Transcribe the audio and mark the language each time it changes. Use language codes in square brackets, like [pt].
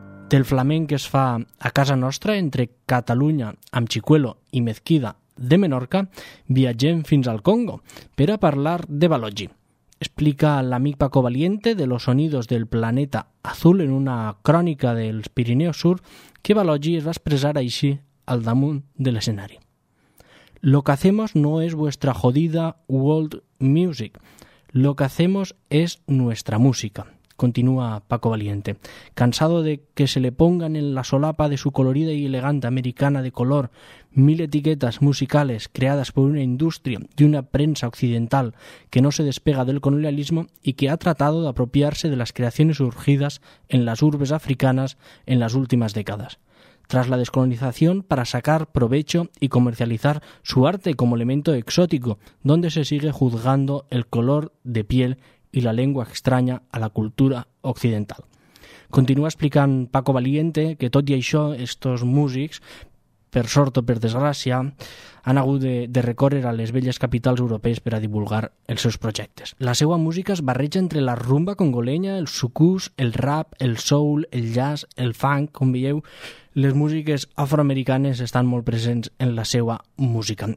[ca] del flamenc que es fa a casa nostra entre Catalunya, amb Chicuelo i Mezquida de Menorca, viatgem fins al Congo per a parlar de Balogi. Explica l'amic Paco Valiente de Los Sonidos del Planeta Azul en una crònica dels Pirineus Sur que Balogi es va expressar així al damunt de l'escenari. [es] Lo que hacemos no es vuestra jodida world music. Lo que hacemos es nuestra música. Continúa Paco Valiente. Cansado de que se le pongan en la solapa de su colorida y elegante americana de color mil etiquetas musicales creadas por una industria y una prensa occidental que no se despega del colonialismo y que ha tratado de apropiarse de las creaciones surgidas en las urbes africanas en las últimas décadas. Tras la descolonización, para sacar provecho y comercializar su arte como elemento exótico, donde se sigue juzgando el color de piel y la lengua extraña a la cultura occidental. [ca] Continúa explicant Paco Valiente que tot i això, estos músics, per sort o per desgràcia, han hagut de recórrer a les velles capitals europees per a divulgar els seus projectes. La seva música es barreja entre la rumba congolenya, el sucús, el rap, el soul, el jazz, el funk, com veieu, les músiques afroamericanes estan molt presents en la seva música.